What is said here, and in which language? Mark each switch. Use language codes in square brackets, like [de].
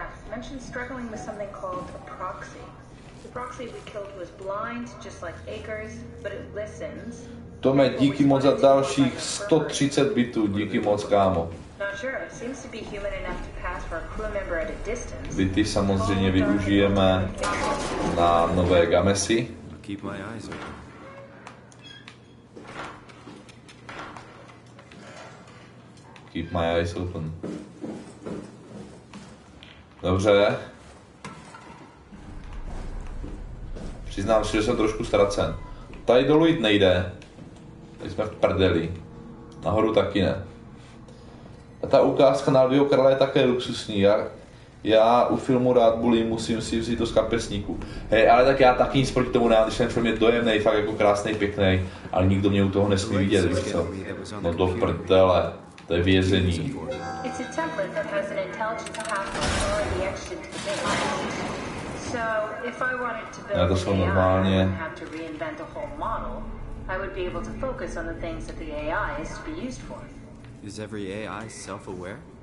[en] Mentioned struggling with something called a proxy. The proxy we killed was blind, just like Akers, but it listens. [cs] Tome, díky moc za dalších 130 bitů, díky moc, kámo. [en] Not sure, it seems to be human enough to pass for a crew member at a distance. [cs] Bity samozřejmě využijeme na nové Gamesy. [en] Keep my eyes open. Keep my eyes open. [cs] Dobře. Přiznám si, že jsem trošku ztracen. Tady dolů jít nejde. Tady jsme v prdeli. Nahoru taky ne. A ta ukázka na Lvýho krále je také luxusní. Já u filmu rád bulím, musím si vzít to z kapesníku. Hej, ale tak já taky nic proti tomu nemám, když ten film je dojemnej, fakt jako krásný, pěkný, ale nikdo mě u toho nesmí vidět, víš co? No do prdele. To je vězení. [en] It's a template that has an intelligence capsule for the exit to the device. So if I wanted to build AI, I wouldn't have to reinvent a whole model. I would be able to focus on the things that the AI is to be used for. Is every AI self-aware?